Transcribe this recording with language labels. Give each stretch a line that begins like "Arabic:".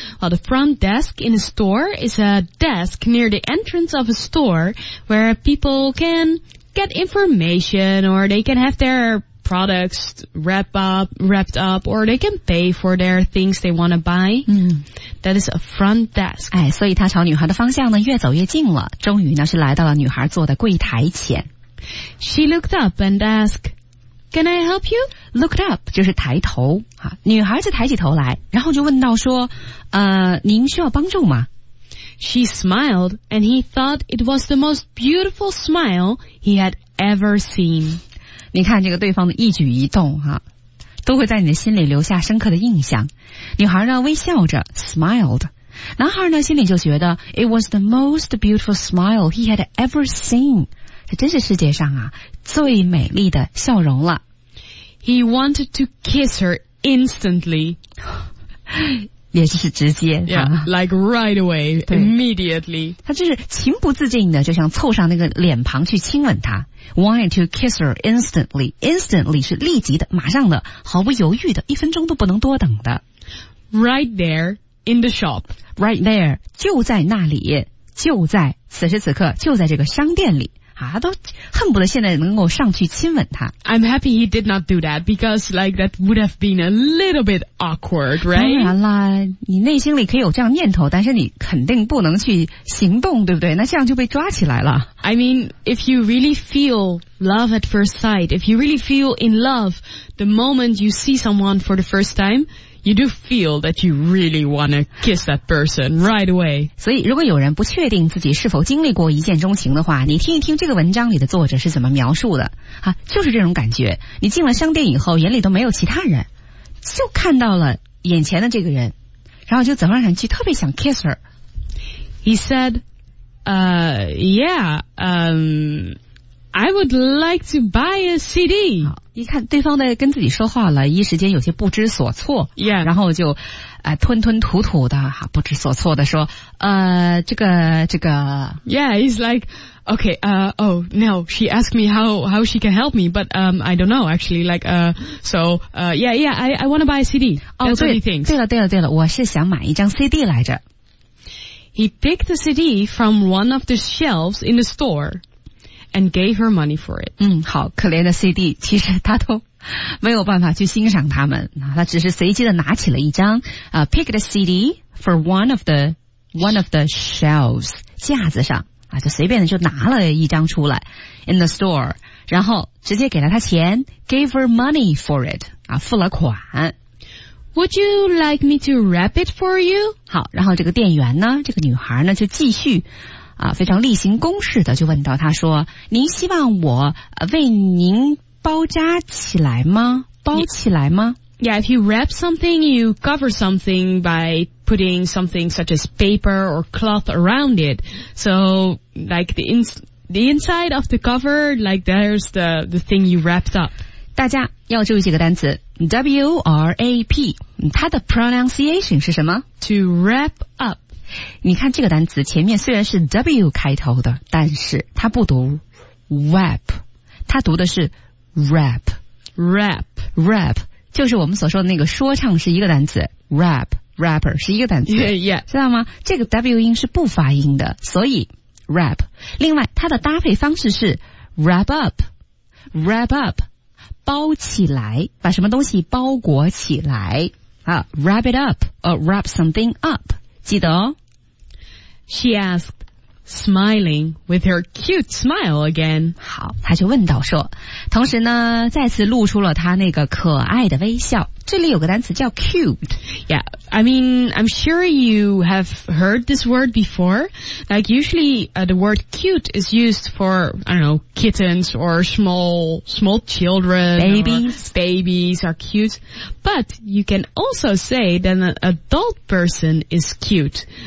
English: Well, the front desk in a store is a desk near the entrance of a store where people can get information or they can have their products wrapped up or they can pay for their things they want to buy. Mm-hmm. That is a front desk.
Chinese: 哎，所以他朝女孩的方向呢越走越近了，终于呢是来到了女孩坐的柜台前。
English: She looked up and asked,Can I help you? Looked up
Chinese: 就是抬头啊，女孩子抬起头来，然后就问到说，您需要帮助吗？
English: She smiled, and he thought it was the most beautiful smile he had ever seen.
Chinese: 你看这个对方的一举一动啊，都会在你的心里留下深刻的印象。女孩呢微笑着 smiled， 男孩呢心里就觉得
English: it was the most beautiful smile he had ever seen。
Chinese: 这真是世界上啊最美丽的笑容了。
English: He wanted to kiss her instantly.
Chinese: 也就是直接。
English: Yeah, like right away, immediately.
Chinese: 他就是情不自禁的就想凑上那个脸庞去亲吻她。
English: Wanted to kiss her instantly.
Chinese: Instantly 是立即的马上的毫不犹豫的一分钟都不能多等的。
English: Right there, in the shop. Right there,
Chinese: 就在那里就在此时此刻就在这个商店里。啊，都恨不得现在能够上去亲吻他。
English: I'm happy he did not do that because like that would have been a little bit awkward, right?
Chinese: 当然啦，你内心里可以有这样念头，但是你肯定不能去行动，对不对？那这样就被抓起来了。
English: I mean, if you really feel love at first sight, if you really feel in love the moment you see someone for the first time,You do feel that you really want to kiss that person right away.
Chinese: 所以如果有人不确定自己是否经历过一见钟情的话，你听一听这个文章里的作者是怎么描述的。啊，就是这种感觉。你进了商店以后，眼里都没有其他人，就看到了眼前的这个人，然后就走上去特别想
English: kiss her. He said, I would like to buy a CD.
Chinese: 一看对方在跟自己说话了，一时间有些不知所措。
English: Yeah.
Chinese: 然后就吞吞吐吐的哈，不知所措的说这个。
English: Yeah, he's like, okay, she asked me how she can help me, but, I don't know, actually, like, I want to buy a CD. That's what he thinks.
Chinese: 对了，我是想买一张 CD 来着。
English: He picked the CD from one of the shelves in the store. And gave her money for it.
Chinese: 嗯，好，可怜的 CD， 其实他都没有办法去欣赏他们，他只是随机的拿起了一张
English: picked a CD for one of the shelves
Chinese: 架子上啊，就随便的就拿了一张出来
English: in the store，
Chinese: 然后直接给了他钱 ，
English: gave her money for it
Chinese: 啊，付了款。
English: Would you like me to wrap it for you？
Chinese: 好，然后这个店员呢，这个女孩呢，就继续。啊，非常例行公事的就问到他说，您希望我为您包扎起来吗？包起来吗？
English: Yeah, if you wrap something, you cover something by putting something such as paper or cloth around it. So, like the inside of the cover, like there's the thing you wrapped up.
Chinese: 大家要注意几个单词 ,WRAP, 它的 pronunciation 是什么？
English: To wrap up.
Chinese: 你看这个单词前面虽然是 W 开头的，但是它不读 wrap， 它读的是 rap，
English: rap，
Chinese: rap， 就是我们所说的那个说唱是一个单词， rap， rapper 是一个单词，
English: yeah, yeah.
Chinese: 知道吗？这个 W 音是不发音的，所以 rap。另外，它的搭配方式是 wrap up， wrap up， 包起来，把什么东西包裹起来啊，
English: wrap it up， or wrap something up。
Chinese: 记得哦。
English: She asked, smiling with her cute smile again.
Chinese: 好，她就问到说，同时呢，再次露出了她那个可爱的微笑。这里有个单词叫 cubed.
English: Yeah, I mean, I'm sure you have heard this word before. Like, usually, the word cute is used for, I don't know, kittens or small children. Babies. Babies are cute. But you can also say that an adult person is cute.